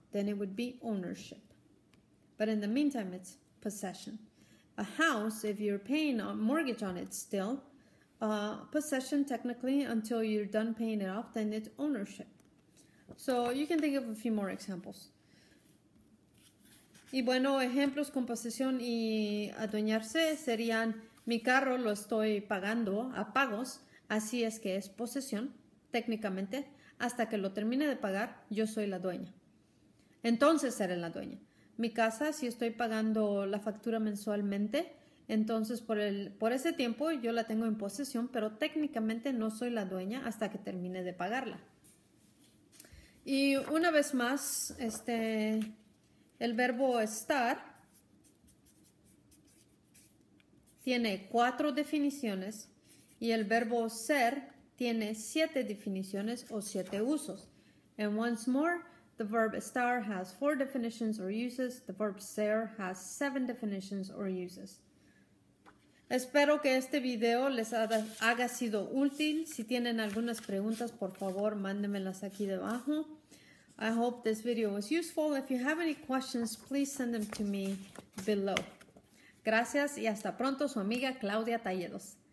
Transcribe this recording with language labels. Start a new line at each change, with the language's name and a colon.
English: Then it would be ownership. But in the meantime, it's possession. A house, if you're paying a mortgage on it still, possession technically until you're done paying it off, then it's ownership. So you can think of a few more examples.
Spanish: Y bueno, ejemplos con posesión y adueñarse serían, mi carro lo estoy pagando a pagos, así es que es posesión. Técnicamente, hasta que lo termine de pagar, yo soy la dueña. Entonces seré la dueña. Mi casa, si estoy pagando la factura mensualmente, entonces por ese tiempo yo la tengo en posesión, pero técnicamente no soy la dueña hasta que termine de pagarla. Y una vez más, el verbo estar tiene 4 definiciones y el verbo ser tiene 7 definiciones o 7 usos.
English: And once more, the verb estar has 4 definitions or uses, the verb ser has 7 definitions or uses.
Spanish: Espero que este video les haya sido útil. Si tienen algunas preguntas, por favor, mándenmelas aquí debajo.
English: I hope this video was useful. If you have any questions, please send them to me below.
Spanish: Gracias y hasta pronto, su amiga Claudia Talledos.